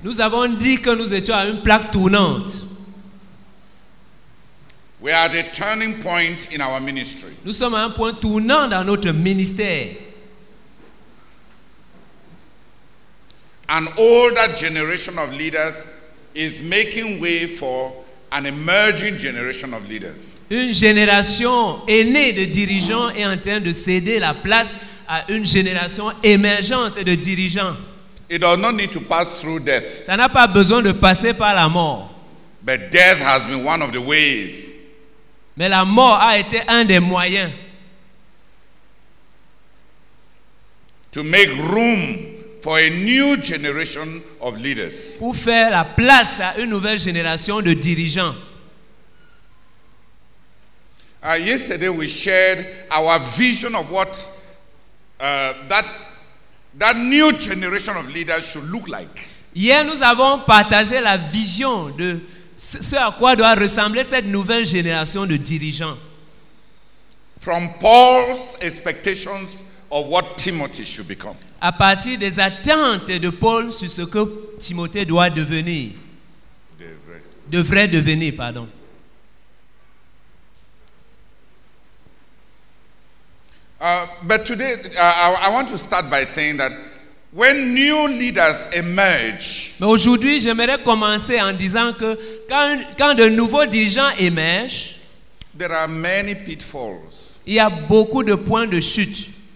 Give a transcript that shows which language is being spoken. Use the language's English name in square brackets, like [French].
[French] Nous avons dit que nous étions à une plaque tournante. [English] We are at a turning point in our ministry. [French] Nous sommes à un point tournant dans notre ministère. [English] An older generation of leaders is making way for an emerging generation of leaders. [French] Une génération aînée de dirigeants est en train de céder la place à une génération émergente de dirigeants. [English] It does not need to pass through death. [French] Ça n'a pas besoin de passer par la mort. [English] But death has been one of the ways. [French] Mais la mort a été un des moyens. [English] To make room for a new generation of leaders. [French] Pour faire la place à une nouvelle génération de dirigeants. [English] Yesterday we shared our vision of what that new generation of leaders should look like. [French] Hier nous avons partagé la vision de ce à quoi doit ressembler cette nouvelle génération de dirigeants. [English] From Paul's expectations of what Timothy should become. [French] À partir des attentes de Paul sur ce que Timothée doit devenir. Devrait devenir, pardon. [English] But today, I want to start by saying that when new leaders emerge. [French] Mais aujourd'hui, j'aimerais commencer en disant que quand de nouveaux dirigeants émergent, [English] there are many pitfalls. [French] Il y a beaucoup de points de chute.